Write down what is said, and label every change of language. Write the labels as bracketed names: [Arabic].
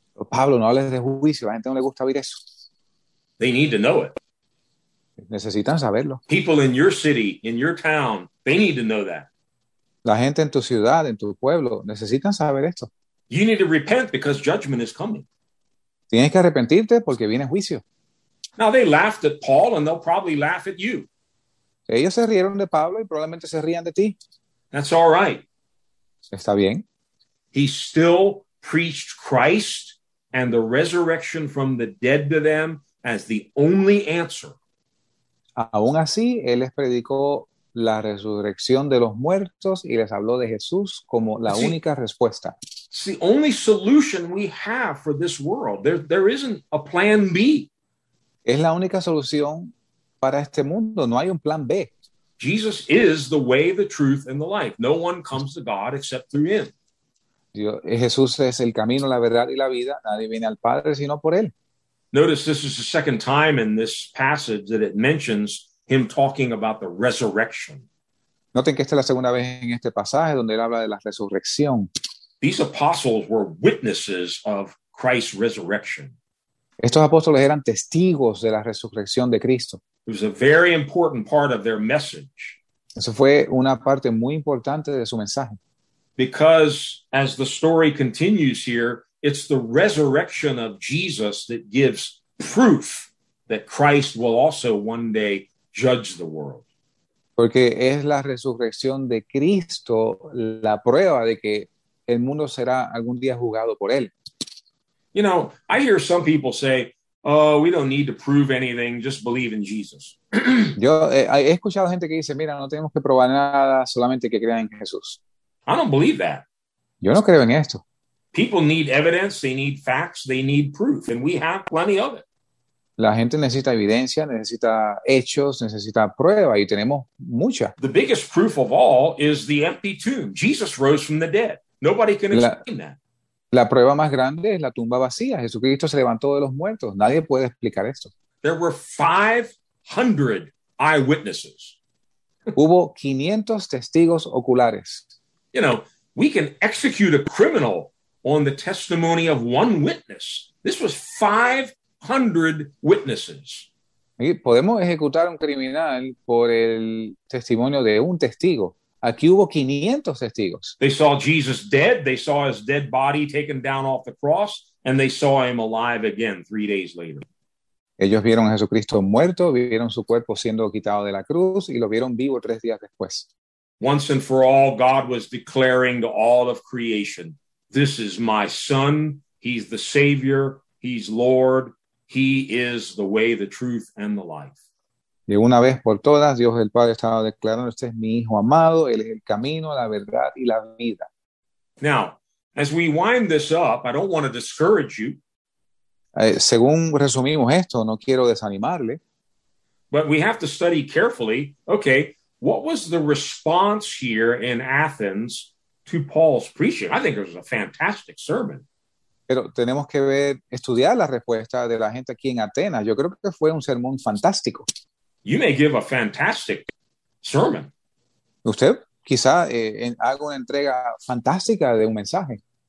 [Spanish] Pablo, no hables de juicio. La gente no le gusta oír eso. [English] They need to know it. [Spanish] Necesitan saberlo. [English] People in your city, in your town, they need to know that. [Spanish] La gente en tu ciudad, en tu pueblo, necesitan saber esto. [English] You need to repent because judgment is coming. [Spanish] Tienes que arrepentirte porque viene juicio. [English] Now they laughed at Paul and they'll probably laugh at you. [Spanish] Ellos se rieron de Pablo y probablemente se rían de ti. [English] That's all right. [Spanish] Está bien. [English] He still preached Christ and the resurrection from the dead to them as the only answer. [Spanish] Aún así, él les predicó la resurrección de los muertos y les habló de Jesús como la única respuesta. [English] It's the only solution we have for this world. There isn't a plan B. [Spanish] Es la única solución para este mundo. No hay un plan B. [English] Jesus is the way, the truth, and the life. No one comes to God except through him. [Spanish] Dios, Jesús es el camino, la verdad y la vida. Nadie viene al Padre sino por él. [English] Notice this is the second time in this passage that it mentions him talking about the resurrection. [Spanish] Noten que esta es la segunda vez en este pasaje donde él habla de la resurrección. [English] These apostles were witnesses of Christ's resurrection. [Spanish] Estos apóstoles eran testigos de la resurrección de Cristo. [English] It was a very important part of their message. [Spanish] Eso fue una parte muy importante de su mensaje. [English] because as the story continues here, it's the resurrection of Jesus that gives proof that Christ will also one day judge the world. [Spanish] Porque es la resurrección de Cristo la prueba de que el mundo será algún día juzgado por él. [English] You know, I hear some people say, oh, we don't need to prove anything, just believe in Jesus. [Spanish] Yo he escuchado gente que dice, mira, no tenemos que probar nada, solamente que crean en Jesús. [English] I don't believe that. [Spanish] Yo no creo en esto. [English] People need evidence, they need facts, they need proof, and we have plenty of it. [Spanish] La gente necesita evidencia, necesita hechos, necesita prueba, y tenemos mucha. [English] The biggest proof of all is the empty tomb. Jesus rose from the dead. Nobody can explain that. [Spanish] La prueba más grande es la tumba vacía. Jesucristo se levantó de los muertos. Nadie puede explicar esto. [English] There were 500 eyewitnesses. [Spanish] Hubo 500 testigos oculares. [English] You know, we can execute a criminal on the testimony of one witness. This was 500 witnesses. [Spanish] Y podemos ejecutar a un criminal por el testimonio de un testigo. Aquí hubo 500 testigos. [English] They saw Jesus dead. They saw his dead body taken down off the cross. And they saw him alive again 3 days later. [Spanish] Ellos vieron a Jesucristo muerto, vieron su cuerpo siendo quitado de la cruz y lo vieron vivo 3 días después. [English] Once and for all, God was declaring to all of creation, this is my son. He's the Savior. He's Lord. He is the way, the truth, and the life. [Spanish] Y una vez por todas, Dios el Padre estaba declarando, este es mi Hijo amado, Él es el camino, la verdad y la vida. [English] Now, as we wind this up, I don't want to discourage you. [Spanish] Según resumimos esto, no quiero desanimarle. [English] But we have to study carefully, okay, what was the response here in Athens to Paul's preaching? I think it was a fantastic sermon. [Spanish] Pero tenemos que ver, estudiar la respuesta de la gente aquí en Atenas. Yo creo que fue un sermón fantástico. [English] You may give a fantastic sermon. [Spanish] Usted quizá haga una entrega fantástica de un mensaje.